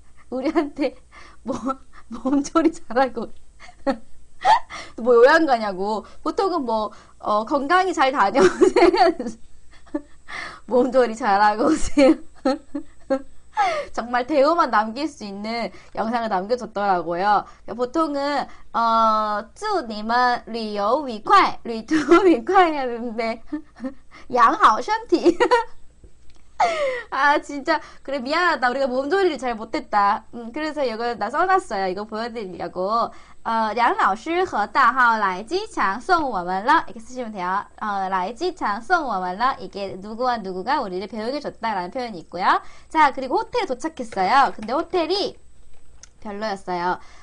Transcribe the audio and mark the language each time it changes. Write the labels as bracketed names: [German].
[Korean] 우리한테 몸조리 잘하고 뭐 요양 가냐고. 보통은 뭐 건강히 잘 다녀오세요. 몸조리 잘하고 오세요. 정말 대우만 남길 수 있는 영상을 남겨줬더라고요. [Chinese] 보통은 祝你们 旅游 愉快, 旅途 愉快 하는데 양好身体. [Korean] 아 진짜 그래 미안하다. 우리가 몸조리를 잘 못했다. 그래서 이걸 나 써놨어요. 이거 보여드리려고. [Chinese] 양老师和大号来机场送我们了. [Korean] 이렇게 쓰시면 돼요. [Chinese] 来机场送我们了. [Korean] 이게 누구와 누구가 우리를 배우게 줬다라는 표현이 있고요. 자, 그리고 호텔에 도착했어요. 근데 호텔이 별로였어요.